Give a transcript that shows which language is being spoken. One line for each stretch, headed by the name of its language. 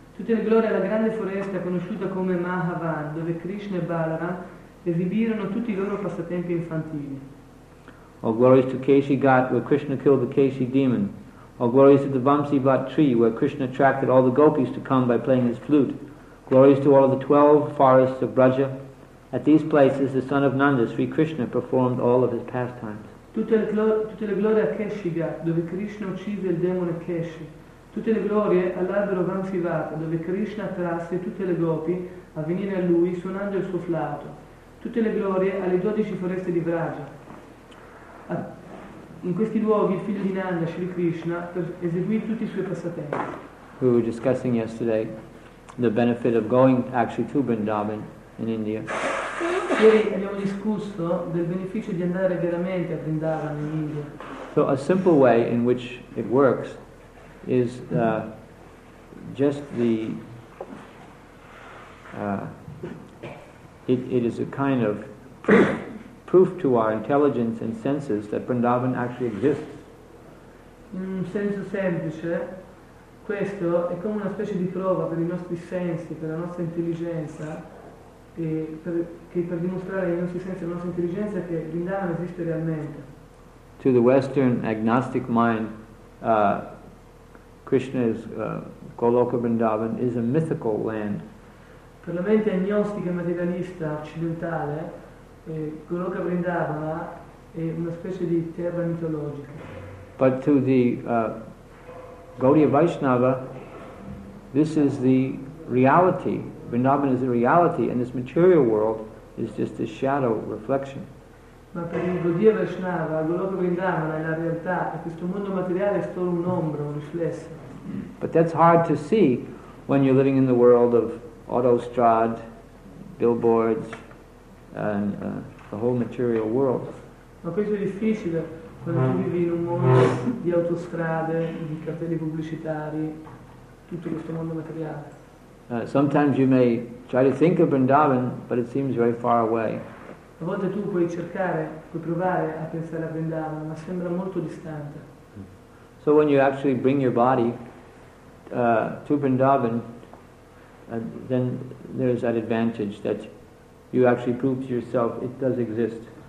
Italian: Tutte le glorie alla grande foresta conosciuta come Mahavan, dove Krishna e Balaram esibirono tutti i loro passatempi infantili.
English: All glories to Keshi Ghat, where Krishna killed the Keshi demon. All glories to the Vamsi Bhat tree, where Krishna attracted all the gopis to come by playing his flute. Glories to all of the 12 forests of Braja. At these places, the son of Nanda, Sri Krishna, performed all of his pastimes.
Italian: Tutte le glorie a Keshiga, dove Krishna uccise il demone Keshi. Tutte le glorie all'albero Vamsivata, dove Krishna attrasse tutte le gopi a venire a lui suonando il suo flauto. Tutte le glorie alle 12 foreste di Vraja. In questi luoghi il figlio di Nanda, Sri Krishna, eseguì tutti i suoi passatempi.
English: We were discussing yesterday the benefit of going actually to Vrindavan in India.
Italian: Ieri abbiamo discusso del beneficio di andare veramente a Vrindavan in India.
English: So a simple way in which it works is just the it is a kind of proof to our intelligence and senses that Vrindavan actually exists.
Italian: In un senso semplice, questo è come una specie di prova per i nostri sensi, per la nostra intelligenza, che per dimostrare la sussistenza della nostra intelligenza che Vrindavan esiste realmente.
English: To the Western agnostic mind, Krishna's Goloka Vrindavan is a mythical land.
Italian: Per la mente agnostica materialista occidentale, Goloka Vrindavan è una specie di terra mitologica.
English: But to the Gaudiya Vaishnava, this is the reality. Vrindavan is the reality, and this material world is just a shadow reflection.
Italian: Ma per il Gaudiya Vaishnava, Goloka Vrindavan è la realtà, e questo mondo materiale è solo un'ombra, un riflesso.
English: But that's hard to see when you're living in the world of autostrad, billboards, and the whole material world.
Italian: Ma questo è difficile quando tu vivi in un mondo di autostrade, di cartelli pubblicitari, tutto questo mondo materiale.
English: Sometimes you may try to think of Vrindavan, but it seems very far away.
Italian: A volte tu puoi cercare, puoi provare a pensare a Vrindavan, ma sembra molto distante.
English: So when you actually bring your body to Vrindavan, then there is that advantage that you actually prove to yourself it does exist.